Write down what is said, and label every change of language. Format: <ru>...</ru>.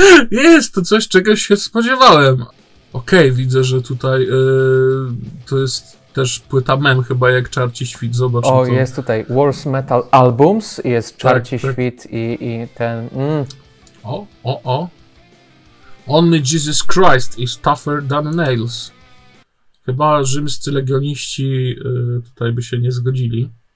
<pl>Jest to coś, czego się spodziewałem. Okej, okay, widzę, że tutaj to jest też płyta mem, chyba jak Czarci Świt, zobacz. O, to jest tutaj Worst Metal Albums, jest Czarci tak, Świt tak. I ten... O.</pl> <en>Only Jesus Christ is tougher than nails.</en> <pl>Chyba rzymscy legioniści tutaj by się nie zgodzili.</pl>